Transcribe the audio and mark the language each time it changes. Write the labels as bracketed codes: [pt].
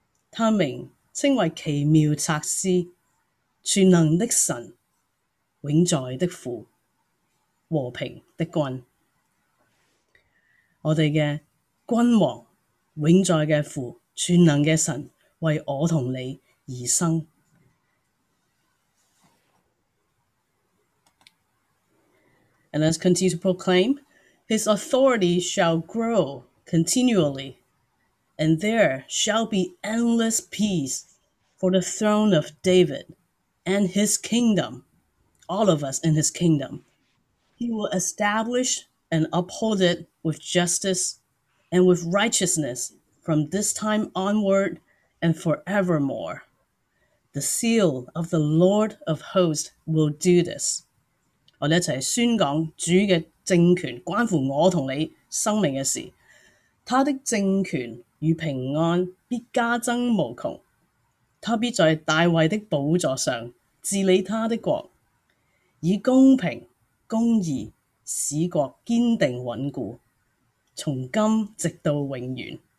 [zh] 他名称为奇妙策师、全能的神、永在的父、和平的君。我们的君王、永在的父、全能的神为我和你而生。 [en] And let's continue to proclaim, His authority shall grow continually. And there shall be endless peace for the throne of David and his kingdom, all of us in his kingdom. He will establish and uphold it with justice and with righteousness from this time onward and forevermore. The seal of the Lord of hosts will do this. [zh] 我们一起宣告主的政权关乎我和你生命的事。他的政权与平安必加增无穷，他必在大卫的宝座上治理他的国，以公平公义使国坚定稳固，从今直到永远。